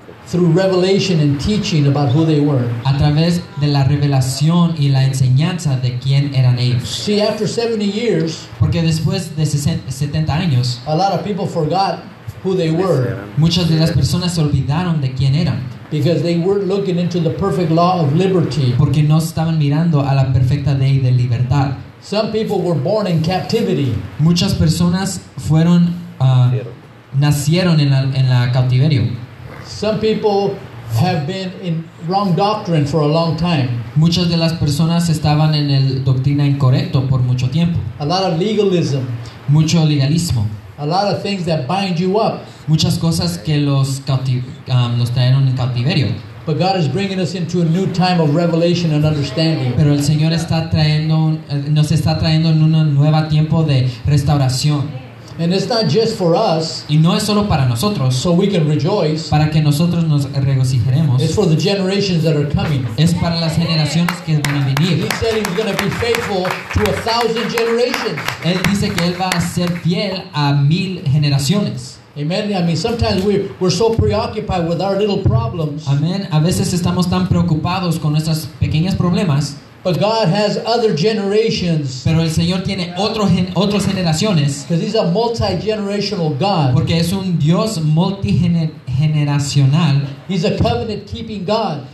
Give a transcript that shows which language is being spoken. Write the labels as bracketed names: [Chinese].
[English] Through revelation and teaching about who they were. [Spanish] A través de la revelación y la enseñanza de quién eran ellos. [English] See, after 70 years. [Spanish] Porque después de 70 años. [English] A lot of people forgot. who they were. [Spanish] Muchas de las personas se olvidaron de quién eran. [English] Because they weren't looking into the perfect law of liberty. [Spanish] Porque no estaban mirando a la perfecta ley de libertad. [English] Some people were born in captivity. [Spanish] Muchas personas fueron nacieron en la cautiverio. [English] Some people have been in wrong doctrine for a long time. [Spanish] Muchas de las personas estaban en el doctrina incorrecto por mucho tiempo. [English] A lot of legalism. [Spanish] Mucho legalismo. [English] A lot of things that bind you up. [Spanish] Muchas cosas que los trajeron en cautiverio. [English] But God is bringing us into a new time of revelation and understanding. [Spanish] Pero el Señor nos está trayendo en un nuevo tiempo de restauración. [English] And it's not just for us. [Spanish] Y no es solo para nosotros. [English] So we can rejoice. [Spanish] Para que nosotros nos regocijemos. [English] It's for the generations that are coming. [Spanish] Es para las generaciones que van a venir. [English] He said he's going to be faithful to 1,000 generations. [Spanish] Él dice que él va a ser fiel a 1,000 generaciones. [English] Amen. I mean, sometimes we're so preoccupied with our little problems. Amen. [Spanish] A veces estamos tan preocupados con nuestros pequeños problemas. [English] But God has other generations. [Spanish] Pero el Señor tiene otras generaciones. [English] Because He's a multi-generational God. [Spanish] Porque es un Dios multigeneracional. [English] He's a covenant-keeping God.